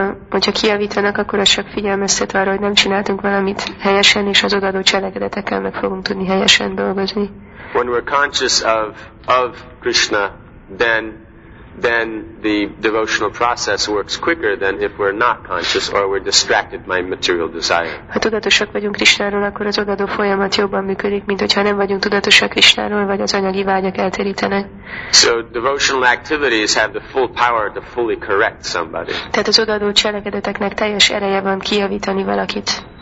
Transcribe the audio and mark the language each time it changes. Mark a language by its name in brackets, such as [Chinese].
[Hungarian] Hogyha kijavítanak, akkor az csak figyelmeztet arra, hogy nem csináltunk valamit helyesen, és az odaadó cselekedetekkel meg fogunk tudni helyesen dolgozni. [English] When we're conscious of Krishna, then the devotional process works quicker than if we're not conscious or we're distracted by material desire. [Hungarian] Ha tudatosak vagyunk Krishnáról, akkor az odaadó folyamat jobban működik, mint hogyha nem vagyunk tudatosak Krishnáról, vagy az anyagi vágyak elterítenek. [English] So devotional activities have the full power to fully correct somebody. [Hungarian] Tehát az odaadó cselekedeteknek teljes ereje van kijavítani valakit.